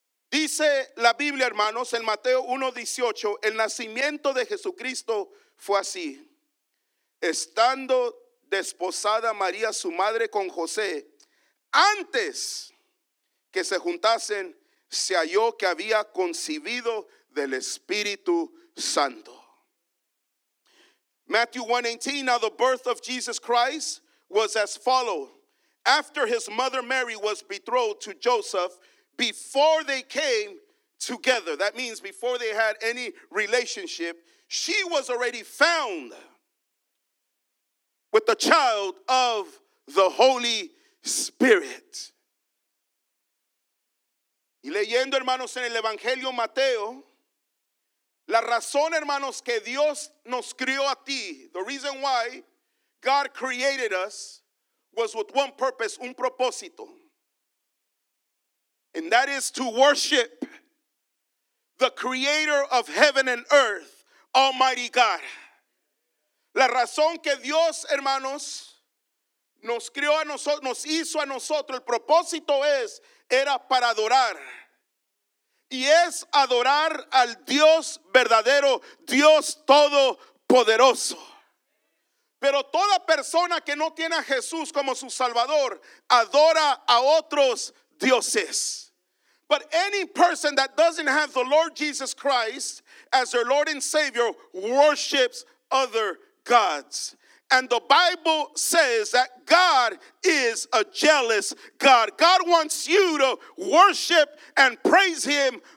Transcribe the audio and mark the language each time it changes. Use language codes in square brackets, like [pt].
[es] Dice la Biblia, hermanos, en Mateo 1:18, el nacimiento de Jesucristo fue así. Estando desposada María, su madre, con José, antes que se juntasen, se halló que había concebido del Espíritu Santo. [en] Matthew 1:18, now the birth of Jesus Christ was as follows. After his mother Mary was betrothed to Joseph, before they came together, that means before they had any relationship, she was already found with the child of the Holy Spirit. [es] Y leyendo, hermanos, en el Evangelio Mateo, la razón, hermanos, que Dios nos crió a ti, [en] the reason why God created us was with one purpose, [es] un propósito. [en] And that is to worship the creator of heaven and earth, Almighty God. [es] La razón que Dios, hermanos, nos crió a nosotros, nos hizo a nosotros, el propósito es, era para adorar. Y es adorar al Dios verdadero, Dios Todopoderoso. Pero toda persona que no tiene a Jesús como su Salvador, adora a otros dioses. [en] But any person that doesn't have the Lord Jesus Christ as their Lord and Savior worships other gods. And the Bible says that God is a jealous God. God wants you to worship and praise him